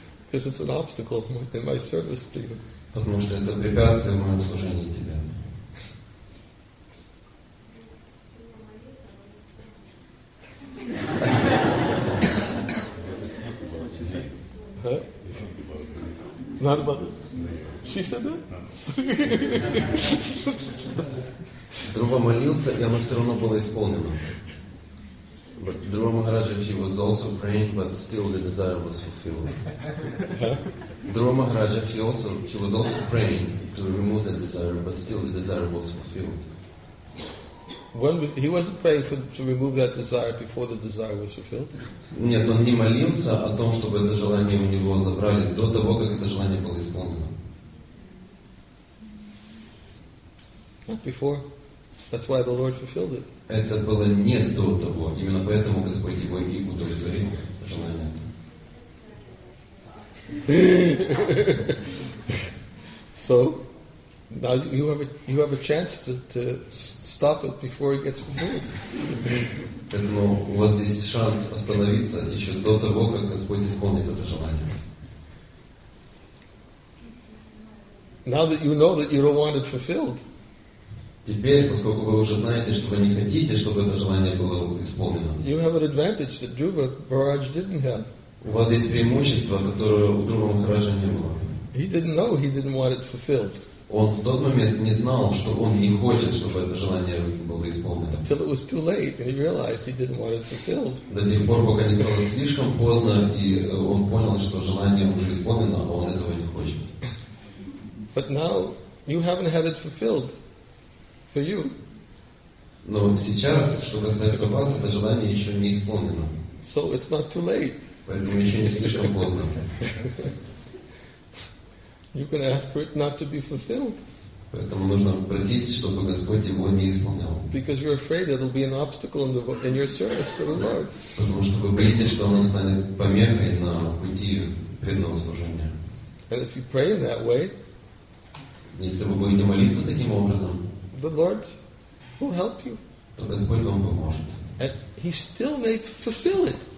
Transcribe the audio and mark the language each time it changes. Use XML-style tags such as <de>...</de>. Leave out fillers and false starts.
<en>Because it's an obstacle in my service to you.</en> <ru>Потому что это препятствие в моем служении тебе.</ru> <en>Not about it. She said that?</en> <ru>Dhruva молился, и оно все равно было исполнено.</ru> <en>But Dhruva Maharaj, he was also praying, but still the desire was fulfilled. Dhruva Maharaj, he was also praying to remove the desire, but still the desire was fulfilled. He wasn't praying to remove that desire before the desire was fulfilled.</en> <ru>Нет, он не молился о том, чтобы это желание у него забрали до того, как это желание было исполнено.</ru> <en>Not before. That's why the Lord fulfilled it.</en> <ru>Это было не до того. Именно поэтому Господь его и удовлетворил желание.</ru> <en>So. Now you have a chance to stop it before it gets fulfilled.</en> <ru>Поэтому у вас есть шанс остановиться еще до того, как Господь исполнит это желание.</ru> <en>Now that you know that you don't want it fulfilled.</en> <ru>Теперь, поскольку вы уже знаете, что вы не хотите, чтобы это желание было исполнено.</ru> <en>You have an advantage that Dhruva Maharaj didn't have.</en> <ru>У вас есть преимущество, которое у Dhruva Maharaja не было.</ru> <en>He didn't know he didn't want it fulfilled.</en> <ru>Он в тот момент не знал, что он не хочет, чтобы это желание было исполнено.</ru> <en>Until it was too late, and he realized he didn't want it fulfilled.</en> <ru>До тех пор, пока не стало слишком поздно, и он понял, что желание уже исполнено, а он этого не хочет.</ru> <en>But now you haven't had it fulfilled for you.</en> <ru>Но сейчас, что касается вас, это желание еще не исполнено.</ru> <en>So it's not too late.</en> <ru>Поэтому еще не слишком поздно.</ru> <en>You can ask for it not to be fulfilled.</en> <ru>Поэтому нужно просить, чтобы Господь его не исполнял.</ru> <en>Because you're afraid that it'll be an obstacle in your service to the Lord.</en> <ru>Потому что вы боитесь, что оно станет помехой на пути преданного служения.</ru> <en>And if you pray in that way,</en> <ru>если вы будете молиться таким образом,</ru> <en>the Lord will help you.</en> <ru>То Господь вам поможет.</ru> <en>And he still may fulfill it.</en>